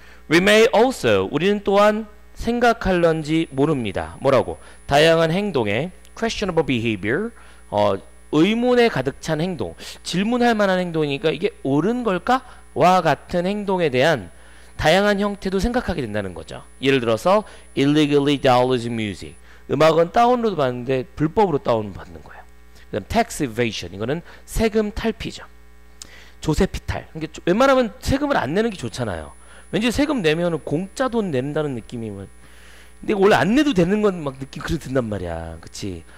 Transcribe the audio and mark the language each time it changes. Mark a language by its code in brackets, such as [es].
[en] We may also, [ko] 우리는 또한 생각할런지 모릅니다. 뭐라고? 다양한 행동에 [en] questionable behavior, [ko] 의문에 가득 찬 행동, 질문할 만한 행동이니까 이게 옳은 걸까? 와 같은 행동에 대한 다양한 형태도 생각하게 된다는 거죠. 예를 들어서 [en] illegally downloaded music. [ko] 음악은 다운로드 받는데 불법으로 다운로드 받는 거예요. 그 다음 tax evasion, 이거는 세금 탈피죠. 조세피탈, 그러니까 웬만하면 세금을 안 내는 게 좋잖아요. 왠지 세금 내면 공짜 돈 낸다는 느낌이면 근데 원래 안 내도 되는 건 막 느낌 그래도 든단 말이야. 그치?